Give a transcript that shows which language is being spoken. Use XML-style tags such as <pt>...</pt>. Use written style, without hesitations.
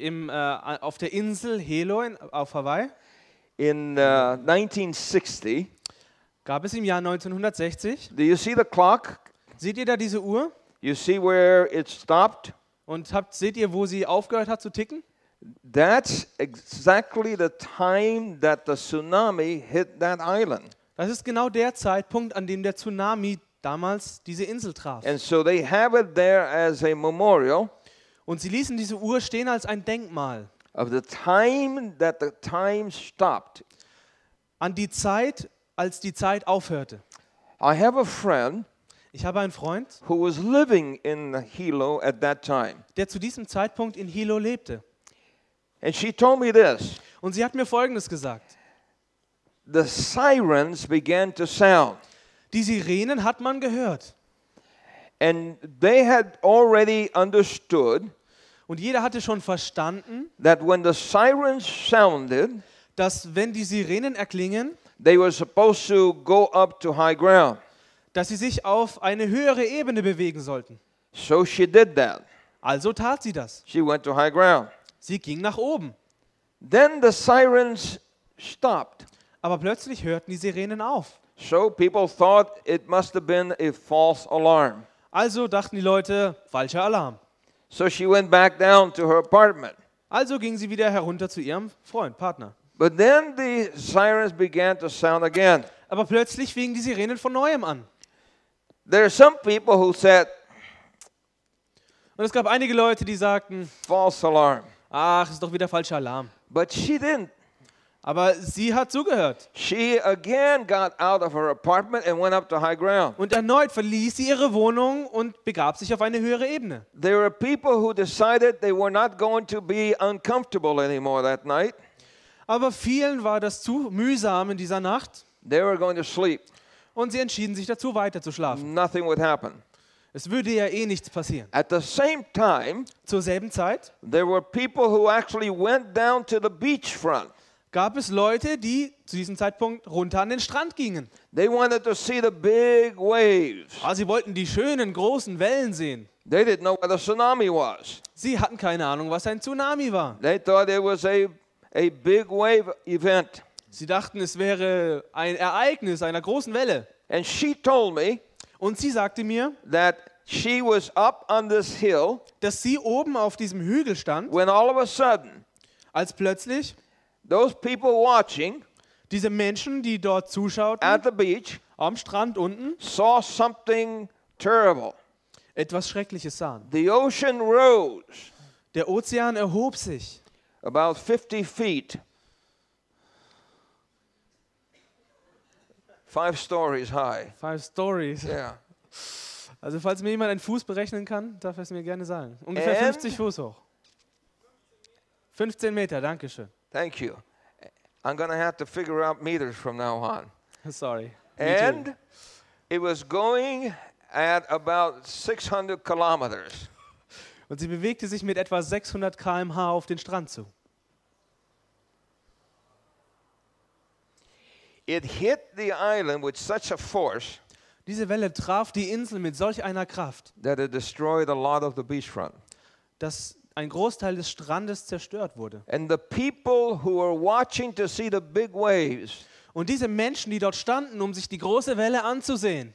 <de>Ah, auf der Insel Hilo auf Hawaii.</de> <en>In 1960.</en> <de>Gab es im Jahr 1960.</de> <en>Do you see the clock?</en> <de>Seht ihr da diese Uhr?</de> <en>You see where it stopped?</en> <de>Und seht ihr, wo sie aufgehört hat zu ticken?</de> <en>That's exactly the time that the tsunami hit that island.</en> <de>Das ist genau der Zeitpunkt, an dem der Tsunami damals diese Insel traf.</de> <en>And so they have it there as a memorial.</en> <de>Und sie ließen diese Uhr stehen als ein Denkmal.</de> <en>Of the time that the time stopped.</en> <de>An die Zeit, als die Zeit aufhörte.</de> <en>I have a friend.</en> <de>Ich habe einen Freund,</de> <en>who was living in Hilo at that time.</en> <de>Der zu diesem Zeitpunkt in Hilo lebte.</de> <en>And she told me this.</en> <de>Und sie hat mir Folgendes gesagt.</de> <en>The sirens began to sound.</en> <de>Die Sirenen hat man gehört.</de> <en>And they had already understood.</en> <de>Und jeder hatte schon verstanden,</de> <en>that when the sirens sounded,</en> <de>dass wenn die Sirenen erklingen,</de> <en>they were supposed to go up to high ground.</en> <de>Dass sie sich auf eine höhere Ebene bewegen sollten.</de> <en>So she did that.</en> <de>Also tat sie das.</de> <en>She went to high ground.</en> <de>Sie ging nach oben.</de> <en>Then the sirens stopped.</en> <de>Aber plötzlich hörten die Sirenen auf.</de> <en>So people thought it must have been a false alarm.</en> <de>Also dachten die Leute, falscher Alarm.</de> <en>So she went back down to her apartment.</en> <de>Also ging sie wieder herunter zu ihrem Freund, Partner.</de> <en>But then the sirens began to sound again.</en> <de>Aber plötzlich fingen die Sirenen von neuem an.</de> <en>There are some people who said,</en> <de>und es gab einige Leute, die sagten,</de> <en>false alarm.</en> <de>Ach, ist doch wieder falscher Alarm.</de> <en>But she didn't.</en> <de>Aber sie hat zugehört.</de> <en>She again got out of her apartment and went up to high ground.</en> <de>Und erneut verließ sie ihre Wohnung und begab sich auf eine höhere Ebene.</de> <en>There were people who decided they were not going to be uncomfortable anymore that night.</en> <de>Aber vielen war das zu mühsam in dieser Nacht.</de> <en>They were going to sleep.</en> <de>Und sie entschieden sich dazu, weiter zu schlafen.</de> <en>Nothing would happen.</en> <de>Es würde ja eh nichts passieren.</de> <en>At the same time,</en> <de>zur selben Zeit,</de> <en>there were people who actually went down to the beachfront.</en> <de>Gab es Leute, die zu diesem Zeitpunkt runter an den Strand gingen.</de> <en>They wanted to see the big waves.</en> <de>Aber sie wollten die schönen großen Wellen sehen.</de> <en>They didn't know what a tsunami was.</en> <de>Sie hatten keine Ahnung, was ein Tsunami war.</de> <en>They thought it was a big wave event.</en> <de>Sie dachten, es wäre ein Ereignis einer großen Welle.</de> <en>And she told me,</en> <de>Und sie sagte mir,</de> <en>that she was up on this hill,</en> <de>dass sie oben auf diesem Hügel stand,</de> <en>when all of a sudden,</en> <de>als plötzlich</de> <en>those people watching,</en> <de>diese Menschen, die dort zuschauten,</de> <en>at the beach,</en> <de>am Strand unten,</de> <en>saw something terrible.</en> <de>Etwas Schreckliches sahen.</de> <en>The ocean rose.</en> <de>Der Ozean erhob sich.</de> <en>About 50 feet. Five stories high. Five stories. Yeah.</en> <de>Also falls mir jemand einen Fuß berechnen kann, darf er es mir gerne sagen. Ungefähr 50 Fuß hoch. 15 Meter, danke schön.</de> <en>Thank you. I'm gonna have to figure out meters from now on. Sorry. And it was going at about 600 kilometers.</en> <de>Und sie bewegte sich mit etwa 600 km/h auf den Strand zu.</de> <en>It hit the island with such a force.</en> <de>Diese Welle traf die Insel mit solch einer Kraft,</de> <en>that it destroyed a lot of the beachfront.</en> <de>Dass ein Großteil des Strandes zerstört wurde.</de> <en>And the people who were watching to see the big waves.</en> <de>Und diese Menschen, die dort standen, um sich die große Welle anzusehen,</de>